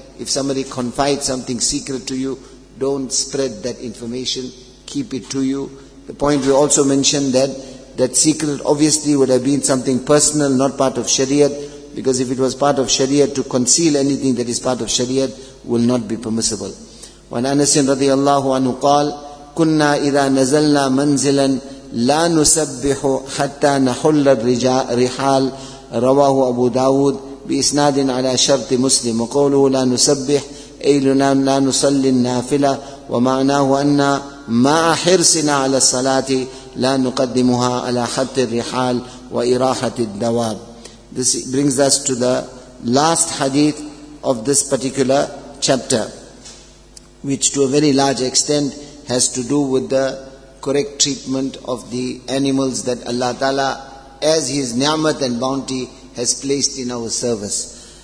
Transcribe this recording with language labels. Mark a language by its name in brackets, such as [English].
[English] If somebody confides something secret to you, don't spread that information, keep it to you. The point we also mentioned that secret obviously would have been something personal, not part of Shariat, because if it was part of Shariat, to conceal anything that is part of Shariat will not be permissible. [Arabic] وَنْ أَنَسٍ رَضِيَ اللَّهُ عَنْهُ قَالْ كُنَّا إِذَا نَزَلْنَا مَنْزِلًا لَا نُسَبِّحُ حَتَّى نَحُلَّ الرِّحَالِ رواه أبو داود بإسناد على شرط مسلم وقوله لا نسبح أي لا نصلي النافلة ومعناه أن ما حرصنا على الصلاة لا نقدمها على حتى الرحال وإراحة الدواب. [English] This brings us to the last hadith of this particular chapter, which to a very large extent has to do with the correct treatment of the animals that Allah Ta'ala, as His ni'mat and bounty, has placed in our service.